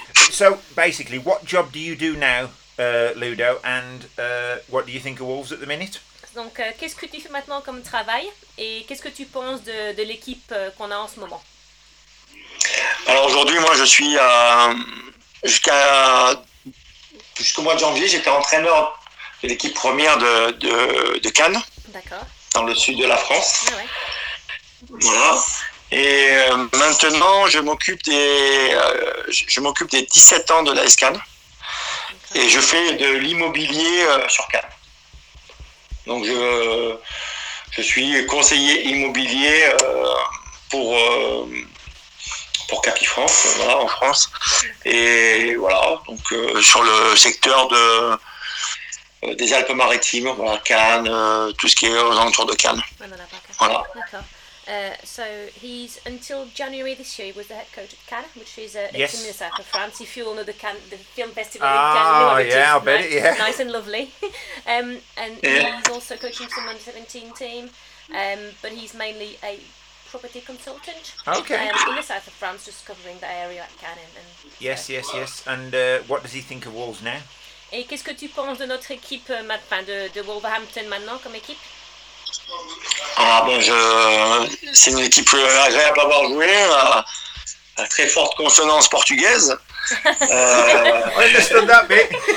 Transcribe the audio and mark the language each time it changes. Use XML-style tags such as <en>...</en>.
<en>So basically, what job do you do now, Ludo, and what do you think of Wolves at the minute?</en> <fr>Donc, qu'est-ce que tu fais maintenant comme travail et qu'est-ce que tu penses de l'équipe qu'on a en ce moment? Alors aujourd'hui, moi je suis jusqu'au mois de janvier, j'étais entraîneur de l'équipe première de Cannes. D'accord. Dans le sud de la France. Ah ouais. Voilà. Et maintenant, je m'occupe des 17 ans de l'AS Cannes. Et je fais de l'immobilier sur Cannes. Donc, je suis conseiller immobilier pour Capifrance, voilà, en France. Et voilà, donc sur le secteur des Alpes-Maritimes, voilà, Cannes, tout ce qui est aux alentours de Cannes. Voilà.</fr> <en>So he's until January this year. He was the head coach at Cannes, which is in the south of France. If you all know the film festival in Cannes, nice and lovely. He's also coaching some under 17 team, but he's mainly a property consultant. Okay. In the south of France, just covering the area at Cannes. Yes. And what does he think of Wolves now?</en> <fr>Et qu'est-ce que tu penses de notre équipe, de Wolverhampton maintenant comme équipe? Ah bon, c'est une équipe agréable à avoir joué, à très forte consonance portugaise.</fr> <en>Understand that bit.</en>